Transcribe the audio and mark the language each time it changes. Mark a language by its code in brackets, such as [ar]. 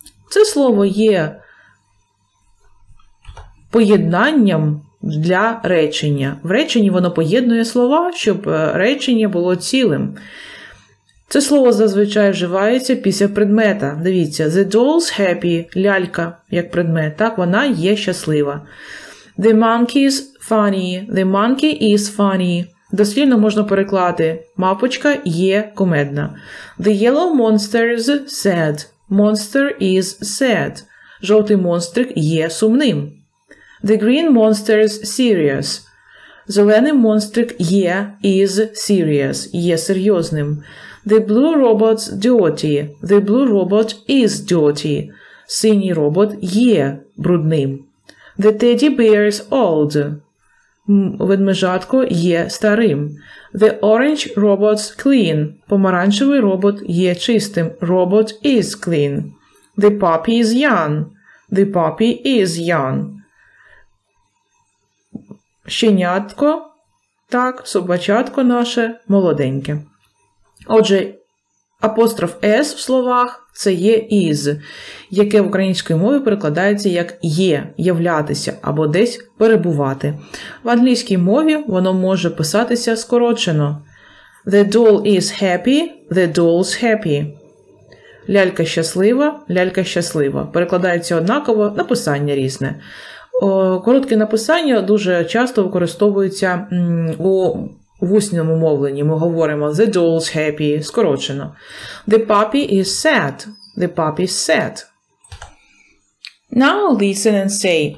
[uk] Це слово є поєднанням для речення. В реченні воно поєднує слова, щоб речення було цілим. Це слово зазвичай вживається після предмета. Дивіться, [en] the doll's happy, [uk] лялька як предмет, так, вона є щаслива. [en] The monkey's funny, the monkey is funny. [uk] Дослівно можна перекласти, мавпочка є кумедна. [en] The yellow monster's sad, monster is sad. [uk] Жовтий монстрик є сумним. [en] The green monster is serious. [uk] Зелений монстрик є, [en] is serious, [uk] є серйозним. [en] The blue robot's dirty. The blue robot is dirty. [uk] Синій робот є брудним. [en] The teddy bear is old. [uk] Ведмежатко є старим. [en] The orange robot's clean. [uk] Помаранчевий робот є чистим. [en] Robot is clean. The puppy is young. The puppy is young. [uk] Щенятко, так, собачатко наше, молоденьке. Отже, апостроф S в словах – це є is, яке в українській мові перекладається як є, являтися або десь перебувати. В англійській мові воно може писатися скорочено. [en] The doll is happy, the doll's happy. [uk] Лялька щаслива, лялька щаслива. Перекладається однаково, написання різне. Коротке написання дуже часто використовується в усньому мовленні. Ми говоримо [en] «the doll's happy», [uk] скорочено. [en] «The puppy is sad». «The puppy is sad». Now listen and say.